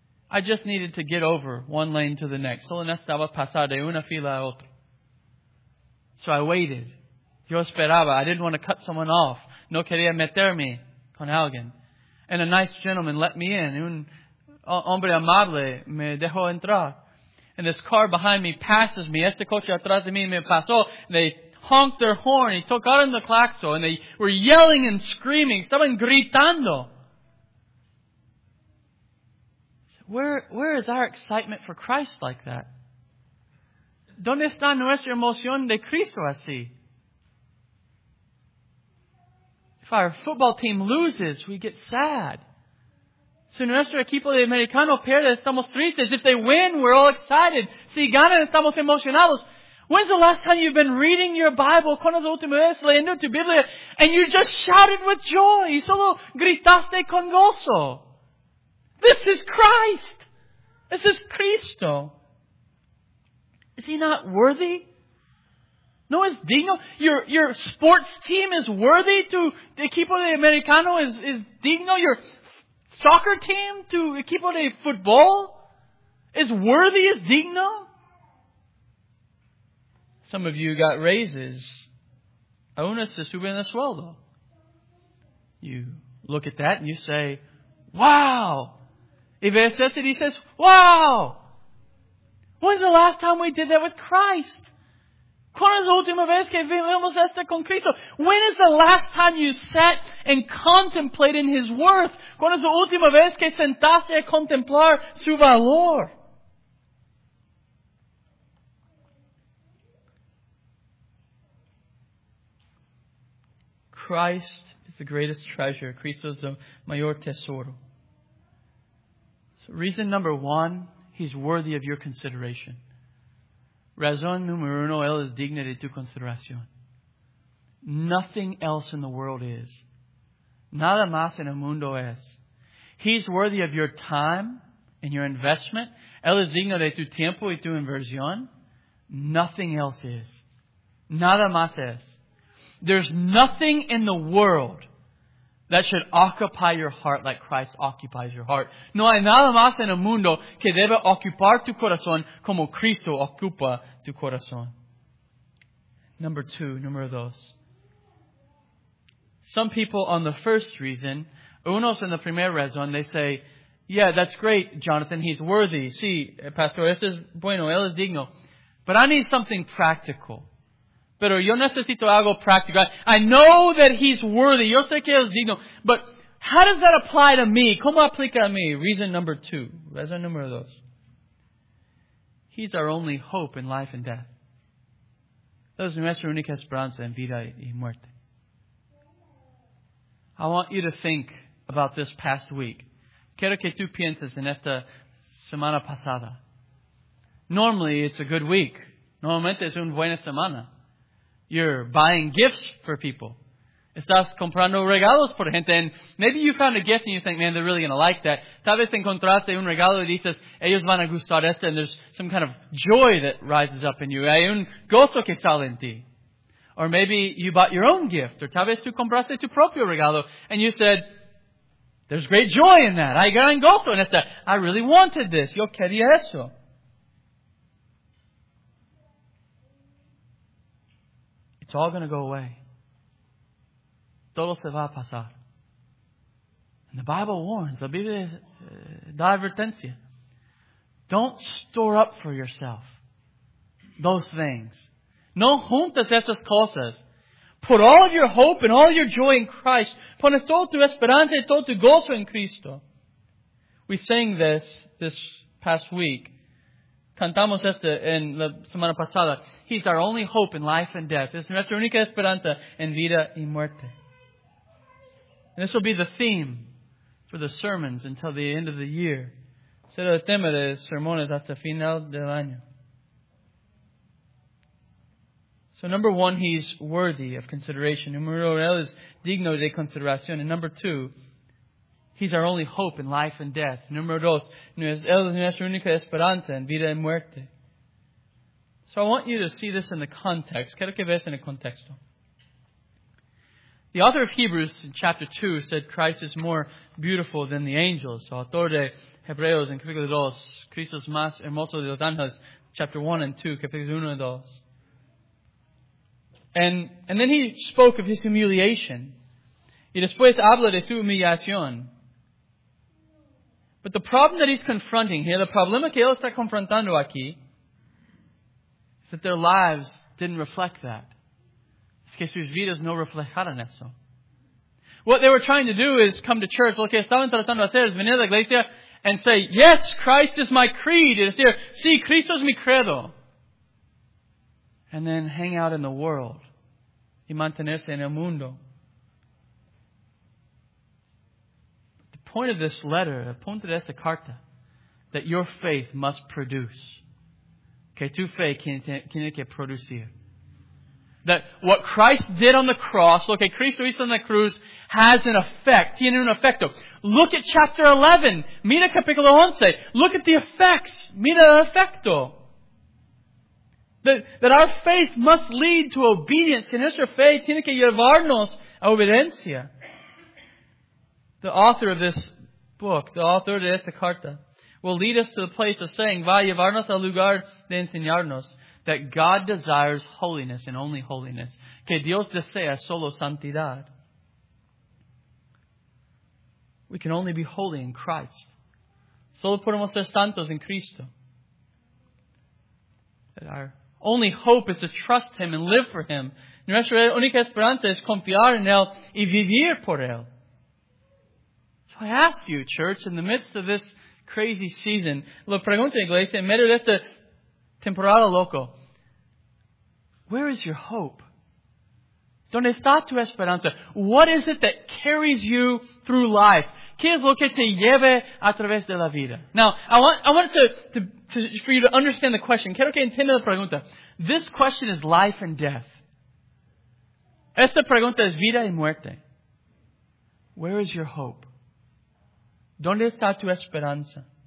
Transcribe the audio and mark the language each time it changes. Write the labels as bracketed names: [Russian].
[English] I just needed to get over one lane to the next. [Spanish] Solo necesitaba pasar de una fila a otra. [English] So I waited. [Spanish] Yo esperaba. [English] I didn't want to cut someone off. [Spanish] No quería meterme con alguien. [English] And a nice gentleman let me in. [Spanish] Un hombre amable me dejó entrar. [English] And this car behind me passes me. [Spanish] Este coche atrás de mí me pasó. [English] And they honked their horn. He took out in the claxon. And they were yelling and screaming. [Spanish] Estaban gritando. [English] Where is our excitement for Christ like that? [Spanish] ¿Dónde está nuestra emoción de Cristo así? [English] If our football team loses, we get sad. [Spanish] Si nuestro equipo de americano pierde, estamos tristes. [English] If they win, we're all excited. [Spanish] Si ganan, estamos emocionados. [English] When's the last time you've been reading your Bible? [Spanish] ¿Cuándo es la última vez leyendo tu Biblia? [English] And you just shouted with joy. [Spanish] Y solo gritaste con gozo. [English] This is Christ. This is Cristo. Is he not worthy? [Spanish] No es digno. [English] Your sports team is worthy to [Spanish] equipo de americano [English] is digno. Your soccer team to [Spanish] equipo de football [English] is worthy, is digno. Some of you got raises. [Spanish] Aún se suben el sueldo. [English] You look at that and you say, wow. [Spanish] Y ves esto y dices, wow. [English] When's the last time we did that with Christ? [Spanish] ¿Cuándo es la última vez que vimos esto con Cristo? [English] When is the last time you sat and contemplated in His worth? [Spanish] ¿Cuándo es la última vez que sentaste a contemplar su valor? [English] Christ is the greatest treasure. [Spanish] Cristo es el mayor tesoro. [English] Reason number one, he's worthy of your consideration. [Spanish] Razón número uno, él es digno de tu consideración. [English] Nothing else in the world is. [Spanish] Nada más en el mundo es. [English] He's worthy of your time and your investment. [Spanish] Él es digno de tu tiempo y tu inversión. [English] Nothing else is. [Spanish] Nada más es. [English] There's nothing in the world that should occupy your heart like Christ occupies your heart. [Spanish] No hay nada más en el mundo que debe ocupar tu corazón como Cristo ocupa tu corazón. Número dos. [English] Some people on the first reason, [Spanish] unos en la primera razón, [English] they say, yeah, that's great, Jonathan, he's worthy. [Spanish] Sí, pastor, eso es bueno, él es digno. [English] But I need something practical. [Spanish] Pero yo necesito algo práctico. [English] I know that he's worthy. [Spanish] Yo sé que él es digno. [English] But how does that apply to me? [Spanish] ¿Cómo aplica a mí? [English] Reason number two. [Spanish] Razón número dos. [English] He's our only hope in life and death. [Spanish] Es nuestra única esperanza en vida y muerte. [English] I want you to think about this past week. [Spanish] Quiero que tú pienses en esta semana pasada. [English] Normally, it's a good week. [Spanish] Normalmente, es una buena semana. [English] You're buying gifts for people. [Spanish] Estás comprando regalos por gente. [English] And maybe you found a gift and you think, man, they're really going to like that. [Spanish] Tal vez encontraste un regalo y dices, ellos van a gustar esto. [English] And there's some kind of joy that rises up in you. [Spanish] Hay un gozo que sale en ti. [English] Or maybe you bought your own gift. [Spanish] Or tal vez tú compraste tu propio regalo. [English] And you said, there's great joy in that. [Spanish] Hay gran gozo en esto. [English] I really wanted this. [Spanish] Yo quería eso. [English] It's all going to go away. [Spanish] Todo se va a pasar. [English] And the Bible warns. [Spanish] La Biblia da advertencia. [English] Don't store up for yourself those things. [Spanish] No juntas esas cosas. [English] Put all of your hope and all your joy in Christ. [Spanish] Pones toda tu esperanza y todo tu gozo en Cristo. [English] We sang this past week. [Spanish] Cantamos esto en la semana pasada. [English] He's our only hope in life and death. [Spanish] Es nuestra única esperanza en vida y muerte. [English] And this will be the theme for the sermons until the end of the year. [Spanish] Será el tema de sermones hasta final del año. [English] So number one, he's worthy of consideration. [Spanish] Número uno, él es digno de consideración. [English] And number two, he's our only hope in life and death. [Spanish] Número dos, él es nuestra única esperanza en vida y muerte. [English] So I want you to see this in the context. [Spanish] Quiero que veas en el contexto. [English] The author of Hebrews in chapter 2 said Christ is more beautiful than the angels. [Spanish] So, autor de Hebreos en capítulo 2, Cristo es más hermoso de los ángeles, [English] chapter 1 and 2, [Spanish] capítulos 1 y 2. [English] And then he spoke of his humiliation. [Spanish] Y después habla de su humillación. [English] But the problem that he's confronting here, [Spanish] the problema que él está confrontando aquí, [English] is that their lives didn't reflect that. [Spanish] Es que sus vidas no reflejaron eso. [English] What they were trying to do is come to church. [Spanish] Lo que estaban tratando de hacer es venir a la iglesia [English] and say, yes, Christ is my creed. [Spanish] Es decir, sí, Cristo es mi credo. [English] And then hang out in the world. [Spanish] Y mantenerse en el mundo. [English] The point of this letter, [Spanish] el punto de esta carta, [English] that your faith must produce. [Spanish] Que tu fe tiene que producir. [English] That what Christ did on the cross, [Spanish] lo que Cristo hizo en la cruz, [English] has an effect. [Spanish] Tiene un efecto. [English] Look at chapter 11. [Spanish] Mira capítulo 11. [English] Look at the effects. [Spanish] Mira el efecto. [English] That our faith must lead to obedience. [Spanish] Que nuestra fe tiene que llevarnos a obediencia. [English] The author of this book, the author [Spanish] de esta carta, [English] will lead us to the place of saying, [Spanish] va a llevarnos al lugar de enseñarnos. [English] That God desires holiness and only holiness. [Spanish] Que Dios desea solo santidad. [English] We can only be holy in Christ. [Spanish] Solo podemos ser santos en Cristo. [English] That our only hope is to trust Him and live for Him. [Spanish] Nuestra única esperanza es confiar en Él y vivir por Él. [English] So I ask you, church, in the midst of this crazy season, [Spanish] lo pregunto, iglesia, en medio de esta temporada loco, [English] where is your hope? [Spanish] ¿Dónde está tu esperanza? [English] What is it that carries you through life? [Spanish] ¿Qué es lo que te lleva a través de la vida? [English] Now, I want for you to understand the question. [Spanish] Quiero que entienda la pregunta. [English] This question is life and death. [Spanish] Esta pregunta es vida y muerte. [English] Where is your hope? [Spanish] ¿Dónde está tu esperanza?